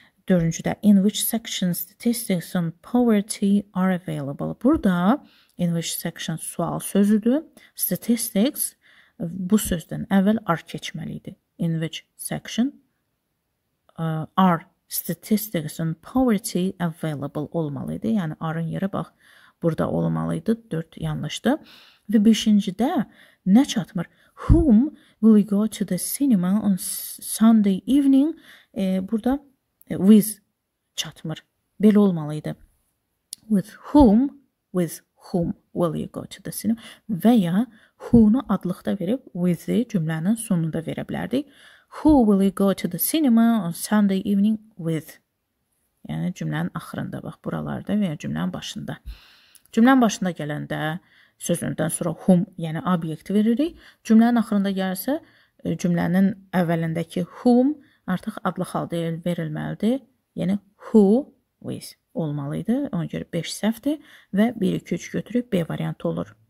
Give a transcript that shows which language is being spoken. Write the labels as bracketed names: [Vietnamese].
[English] Dördüncüdə, in which sections statistics on poverty are available? [Azerbaijani] Burada [English] in which section [Azerbaijani] sual sözüdür. Statistics bu sözdən əvvəl are keçməliydi. [English] In which section are statistics on poverty available [Azerbaijani] olmalıydı. Yəni, arın yeri, bax, burada olmalıydı. 4 yanlışdı. Və 5-ci-də nə çatmır? [English] Whom will you go to the cinema on Sunday evening? [Azerbaijani] Burada with çatmır. Belə olmalıydı. [English] With whom, with whom will you go to the cinema? [Azerbaijani] Və ya who-nu adlıqda verib, with-i cümlənin sonunda verə bilərdik. [English] Who will you go to the cinema on Sunday evening with? [Azerbaijani] Yəni, cümlənin axırında, bax, buralarda və ya cümlənin başında. Cümlənin başında gələndə sözündən sonra whom, yəni obyekt veririk. Cümlənin axırında gəlsə, cümlənin əvvəlindəki whom artıq adlı halda verilməlidir. Yəni [English] who with [Azerbaijani] olmalıydı. Ona görə 5 səhvdir və 1-2-3 götürüb B variantı olur.